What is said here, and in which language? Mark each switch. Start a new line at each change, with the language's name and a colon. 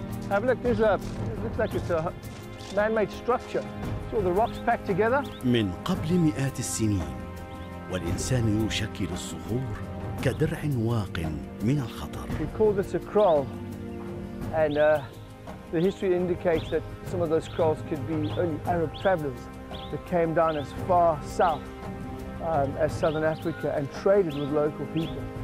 English: Have a look, there's a, it looks like it's a man-made structure. So the rocks packed together.
Arabic: من قبل مئات السنين والإنسان يشكل الصخور كدرع واق من الخطر.
English: We call this a kraal, and the history indicates that some of those kraals could be early Arab travelers that came down as far south as southern Africa and traded with local people.